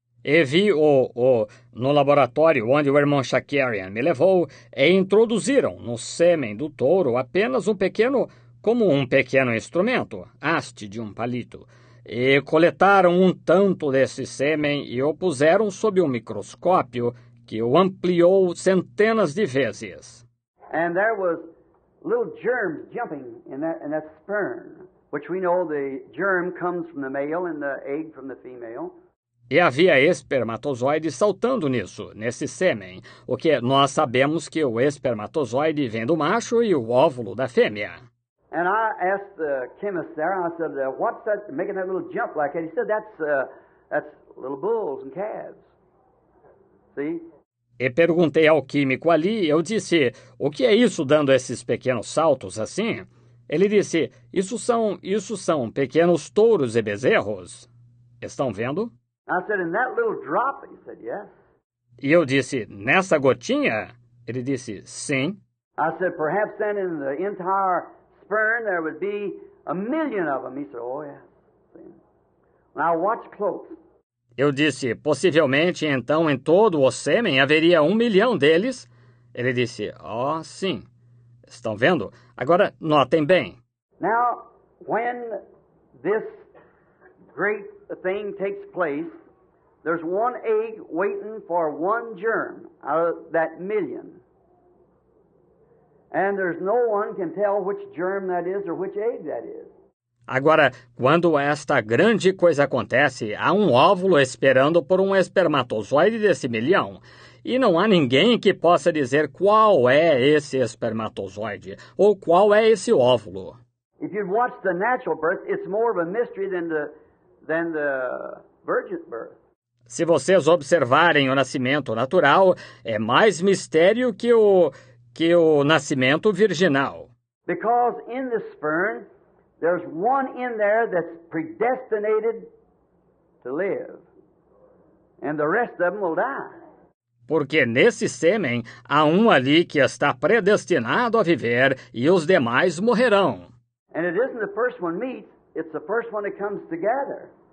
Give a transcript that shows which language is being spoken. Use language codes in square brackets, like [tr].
[pt] E vi no laboratório onde o irmão Shakarian me levou, e introduziram no sêmen do touro apenas um pequeno, como um pequeno instrumento, haste de um palito. E coletaram um tanto desse sêmen e o puseram sob um microscópio que o ampliou centenas de vezes. [en] And there was little germs jumping in that sperm, which we know the germ comes from the male and the egg from the female. [pt] E havia espermatozoides saltando nisso, nesse sêmen, o que nós sabemos que o espermatozoide vem do macho e o óvulo da fêmea. [en] And I asked the chemist there, I said, what's that making that little jump like that? He said, that's little bulls and calves. See? [pt] E perguntei ao químico ali, eu disse, o que é isso dando esses pequenos saltos assim? Ele disse, isso são pequenos touros e bezerros. Estão vendo? [en] I said, in that little drop? He said, yes. [pt] E eu disse, nessa gotinha? Ele disse, sim. [en] I said, perhaps then in the entire sperm there would be a million of them. He said, oh, yes. And I watched close. [pt] Eu disse, possivelmente, então, em todo o sêmen haveria 1 milhão deles. Ele disse, oh, sim. Estão vendo? Agora, notem bem. [en] Now, when this great thing takes place, there's one egg waiting for one germ out of that million, and there's no one can tell which germ that is or which egg that is. [pt] Agora, quando esta grande coisa acontece, há um óvulo esperando por um espermatozoide desse milhão, e não há ninguém que possa dizer qual é esse espermatozoide ou qual é esse óvulo. [en] If you watch the natural birth, it's more of a mystery than the virgin birth. [pt] Se vocês observarem o nascimento natural, é mais mistério que o nascimento virginal. [en] Because in the sperm, there's one in there that's predestinated to live, and the rest of them will die. [pt] Porque nesse sêmen, há um ali que está predestinado a viver, e os demais morrerão. [en] And it isn't the first one meets, it's the first one that comes together.